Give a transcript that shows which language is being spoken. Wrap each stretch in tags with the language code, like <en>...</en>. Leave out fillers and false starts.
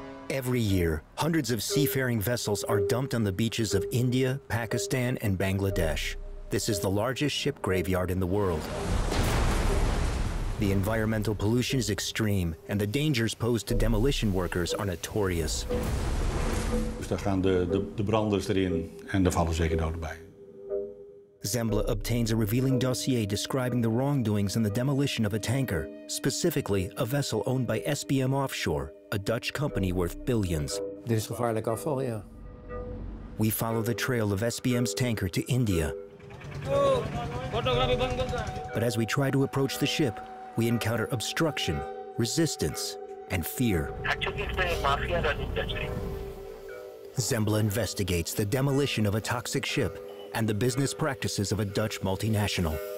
<en>Every year, hundreds of seafaring vessels are dumped on the beaches of India, Pakistan, and Bangladesh. This is the largest ship graveyard in the world. The environmental pollution is extreme, and the dangers posed to demolition workers are notorious.</en> <nl>Daar gaan de branders erin en er vallen zeker doden bij.</nl> <en>Zembla obtains a revealing dossier describing the wrongdoings in the demolition of a tanker, specifically a vessel owned by SBM Offshore, a Dutch company worth billions.</en> <nl>Dit is gevaarlijk afval, ja.</nl> <en>We follow the trail of SBM's tanker to India. But as we try to approach the ship, we encounter obstruction, resistance, and fear. Actually, it's a mafia run industry. Zembla investigates the demolition of a toxic ship and the business practices of a Dutch multinational.</en>